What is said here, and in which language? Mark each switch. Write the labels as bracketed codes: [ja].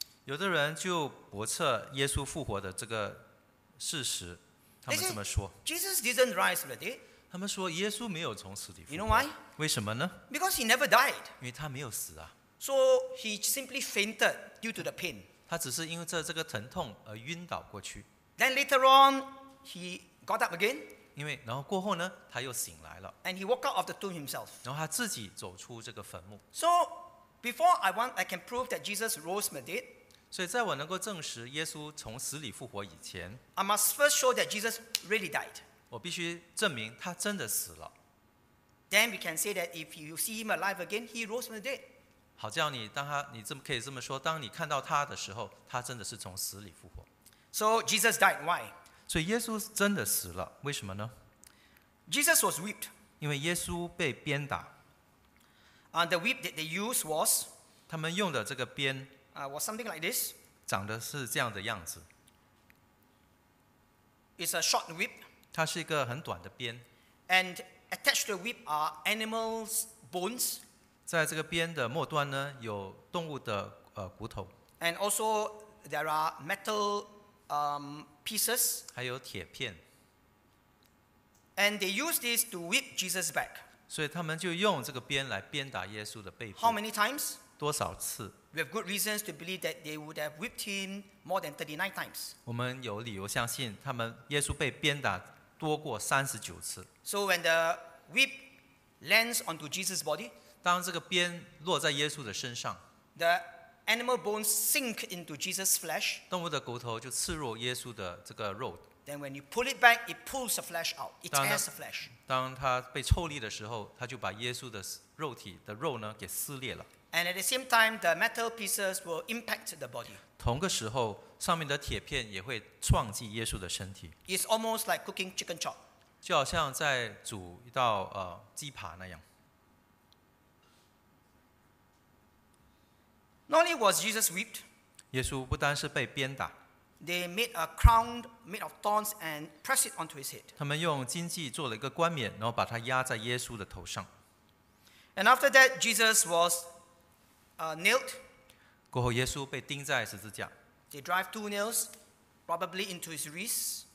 [zh] 有的人就驳斥耶稣复活的这个事实，他们这么说。 [en] Jesus didn't rise from the dead. [zh] 他们说耶稣没有从死里复活。 [en] You know why? [zh] 为什么呢？ [en] Because he never died. [zh] 因为他没有死啊。 [en] So he simply fainted due to the pain. [zh] 他只是因为这个疼痛而晕倒过去。 [en] Then later on, he got up again. [zh] 因为然后过后呢，他又醒来了。 [en] And he walked out of the tomb himself. [zh] 然后他自己走出这个坟墓。 [en] So before I can prove that Jesus rose from the dead. [zh] 所以在我能够证实耶稣从死里复活以前 [en] ，I must first show that Jesus really died. [zh] 我必须证明他真的死了。 [en] Then we can say that if you see him alive again, he rose from the dead. [zh] 好叫你当他你这么可以这么说当你看到他的时候他真的是从死里复活。 [en] So Jesus died, why? [zh] 所以耶稣真的死了为什么呢 [en] ?Jesus was whipped. [zh] 因为耶稣被鞭打。 [en] And the whip that they used was, [zh] 他们用的这个鞭 [en] was something like this. [zh] 长得是这样的样子。 [en] It's a short whip. [zh] 它是一个很短的鞭。 [en] And attached to the whip are animals' bones. [zh] 在这个鞭的末端呢，有动物的骨头。 [en] And also there are metal pieces. [zh] 还有铁片。 [en] And they use this to whip Jesus' back. [zh] 所以他们就用这个鞭来鞭打耶稣的背部。 [en] How many times? [zh] 多少次 [en] ？We have good reasons to believe that they would have whipped him more than 39 times. [zh] 我们有理由相信，他们耶稣被鞭打多过39次。 [en] So when the whip lands onto Jesus' body. [zh] 当这个鞭落在耶稣的身上 [en] ，The animal bones sink into Jesus' flesh. [zh] 动物的骨头就刺入耶稣的这个肉。 [en] Then when you pull it back, it pulls the flesh out. It tears the flesh. [zh] 当它被抽离的时候，它就把耶稣的肉体的肉呢给撕裂了。 [en] And at the same time, the metal pieces will impact the body. [zh] 同个时候，上面的铁片也会撞击耶稣的身体。 [en] It's almost like cooking chicken chop. [zh] 就好像在煮一道鸡扒那样。 [en] Not only was Jesus whipped, [zh] 耶稣不单是被鞭打 [en] they made a crown made of thorns and pressed it onto his head. [zh] 他们用荆棘做了一个冠冕，然后把它压在耶稣的头上。 [en] And after that, Jesus was nailed. [zh] 过后，耶稣被钉在十字架。 [en] They drive two nails, probably into his wrist.